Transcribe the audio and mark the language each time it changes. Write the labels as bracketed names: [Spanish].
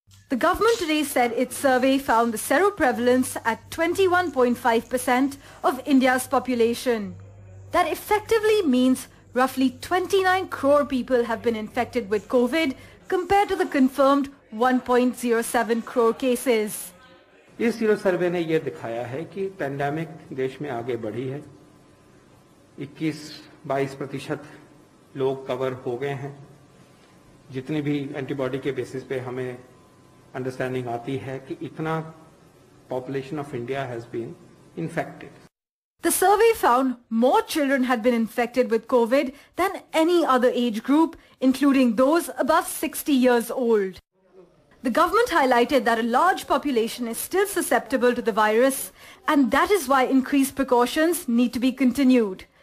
[English] The government today said its survey found the sero prevalence at 21.5% of India's population. That effectively means roughly 29 crore people have been infected with COVID compared to the confirmed 1.07 crore cases. This sero survey has shown that the pandemic has increased in the country. [Hindi] 21-22% लोग cover हो गए हैं जितनी भी antibody के basis पे हमें understanding आती है कि इतना [English] Population of India has been infected. The survey found more children had been infected with COVID than any other age group, including those above 60 years old. The government highlighted that a large population is still susceptible to the virus, and that is why increased precautions need to be continued.